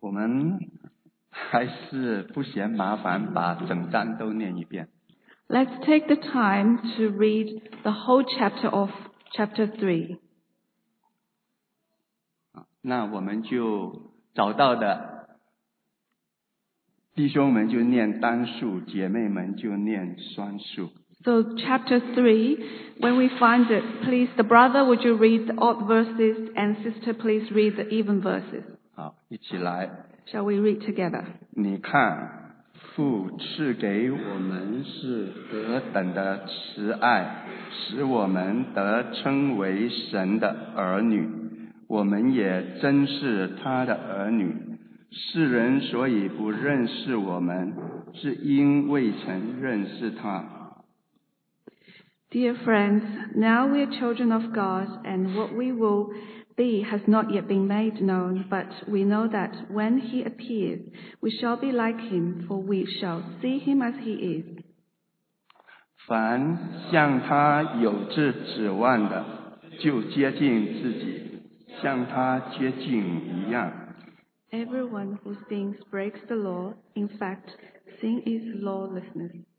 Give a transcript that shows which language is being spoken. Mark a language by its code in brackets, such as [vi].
[zh] 我们还是不嫌麻烦把整章都念一遍。 [en] Let's take the time to read the whole chapter of chapter 3. [zh] 那我们就找到的弟兄们就念单数，姐妹们就念双数。 [en] So chapter 3, when we find it, please, the brother, would you read the odd verses, and sister, please read the even verses. [zh] 好，一起来。 [en] Shall we read together? [zh] 你看，父赐给我们是何等的慈爱，使我们得称为神的儿女，我们也真是他的儿女。世人所以不认识我们，是因未曾认识他。 [en] Dear friends, now we are children of God, and what we will be has not yet been made known, but we know that when he appears, we shall be like him, for we shall see him as he is. [zh] 凡向他有志指望的，就接近自己，像他接近一样。 [en] Everyone who sins breaks the law. In fact, sin is lawlessness.